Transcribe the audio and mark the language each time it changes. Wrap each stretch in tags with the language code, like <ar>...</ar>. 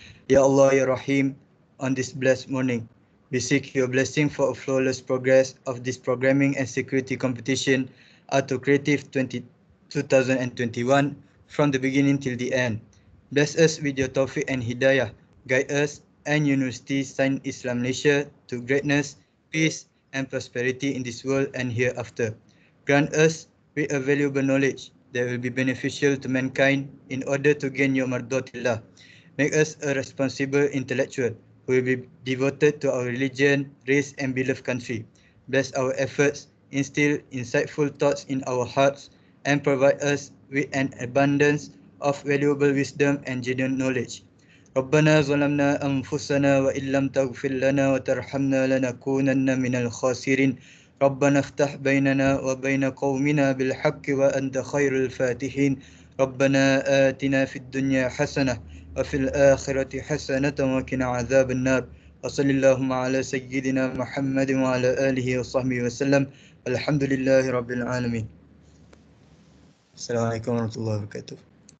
<ar>يا الله يا رحيم</ar> <en>on this blessed morning we seek your blessing for a flawless progress of this programming and security competition ATURKREATIF 2021 from the beginning till the end bless us with your tawfiq and hidayah guide us and University Sains Islam Malaysia to greatness, peace and prosperity in this world and hereafter. Grant us with a valuable knowledge that will be beneficial to mankind in order to gain your mardotillah. Make us a responsible intellectual who will be devoted to our religion, race and beloved country. Bless our efforts, instill insightful thoughts in our hearts and provide us with an abundance of valuable wisdom and genuine knowledge.</en> <ar>ربنا ظلمنا أنفسنا وإن لم تغفر لنا وترحمنا لنكونن من الخاسرين ربنا افتح بيننا وبين قومنا بالحق وأنت خير الفاتحين ربنا آتنا في الدنيا حسنة وفي الآخرة حسنة وقنا عذاب النار وصلى اللهم على سيدنا محمد وعلى آله وصحبه وسلم الحمد لله رب العالمين السلام عليكم ورحمة الله وبركاته</ar>